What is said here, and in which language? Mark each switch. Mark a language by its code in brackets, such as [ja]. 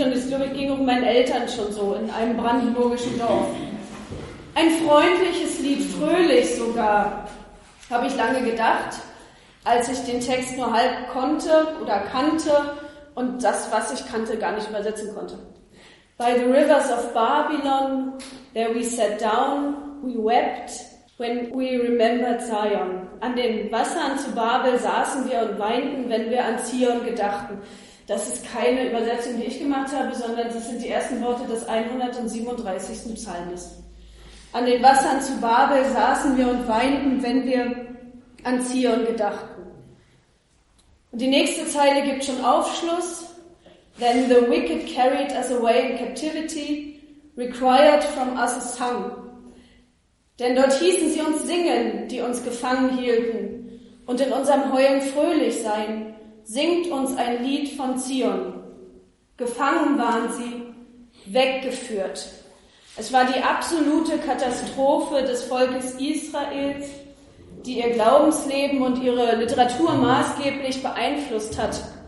[de] Und es ging um meinen Eltern schon so, in einem brandenburgischen Dorf. Ein freundliches Lied, fröhlich sogar, habe ich lange gedacht, als ich den Text nur halb konnte oder kannte und das, was ich kannte, gar nicht übersetzen konnte. [en] By the rivers of Babylon, there we sat down, we wept, when we remembered Zion. [de] An den Wassern zu Babel saßen wir und weinten, wenn wir an Zion gedachten. Das ist keine Übersetzung, die ich gemacht habe, sondern das sind die ersten Worte des 137. Psalmes. An den Wassern zu Babel saßen wir und weinten, wenn wir an Zion gedachten. Und die nächste Zeile gibt schon Aufschluss. [en] Then the wicked carried us away in captivity, required from us a song. [de] Denn dort hießen sie uns singen, die uns gefangen hielten, und in unserem Heulen fröhlich sein, singt uns ein Lied von Zion. Gefangen waren sie, weggeführt. Es war die absolute Katastrophe des Volkes Israels, die ihr Glaubensleben und ihre Literatur maßgeblich beeinflusst hat.